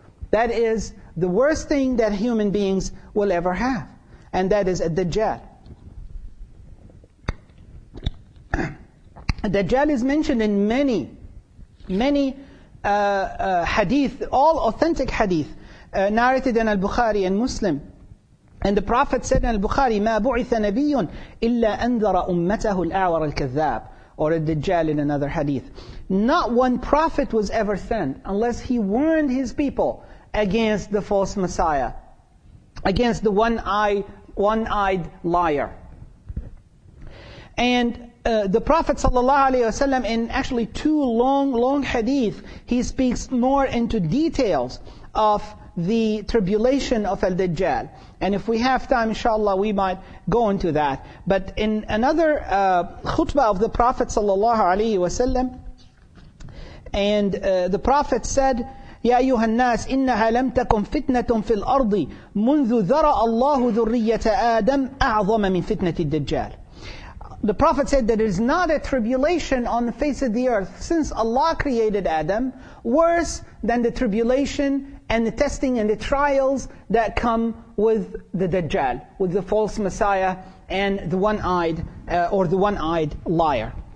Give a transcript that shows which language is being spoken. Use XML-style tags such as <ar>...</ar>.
<en>That is the worst thing that human beings will ever have. And that is a Dajjal. Dajjal is mentioned in many, many hadith, all authentic hadith, narrated in Al-Bukhari and Muslim. And the Prophet said in Al-Bukhari,</en> <ar>مَا بُعِثَ نَبِيٌّ إِلَّا أَنذَرَ أُمَّتَهُ الْأَعْوَرَ الْكَذَّابِ.</ar> <en>Or a Dajjal in another hadith. Not one prophet was ever sent unless he warned his people against the false Messiah, against the one-eyed liar. And the Prophet sallallahu alaihi wasallam, in actually two long hadith, he speaks more into details of the tribulation of al-Dajjal. And if we have time, inshallah, we might go into that. But in another khutbah of the Prophet sallallahu alaihi wasallam, and the Prophet said,</en> <ar>يَا أَيُّهَا النَّاسِ إِنَّهَا لَمْ تَكُمْ فِتْنَةٌ فِي الْأَرْضِ مُنْذُ ذَرَأَ اللَّهُ ذُرِّيَّةَ آدَمَ أَعْظَمَ مِنْ فِتْنَةِ الدَّجَّالِ.</ar> <en>The Prophet said that it is not a tribulation on the face of the earth since Allah created Adam worse than the tribulation and the testing and the trials that come with the Dajjal, with the false Messiah and the one-eyed or the one-eyed liar.</en>